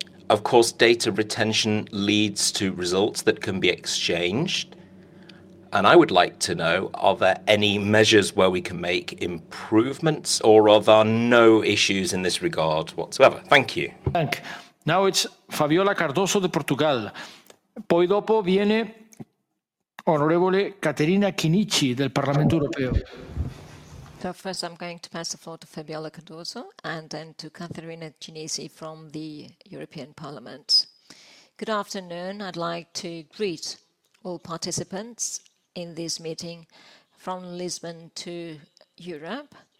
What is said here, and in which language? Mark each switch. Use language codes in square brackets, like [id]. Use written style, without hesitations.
[en] Of course, data retention leads to results that can be exchanged. And I would like to know, are there any measures where we can make improvements or are there no issues in this regard whatsoever? Thank you. Thank you. Now it's Fabiola Cardoso de Portugal. [it] Poi dopo viene Honorable Caterina Chinnici del Parlamento Europeo. [en] So first I'm going to pass the floor to Fabiola Cardoso and then to Caterina Chinnici from the European Parliament. Good afternoon. I'd like to greet all participants in this meeting from Lisbon to Europe.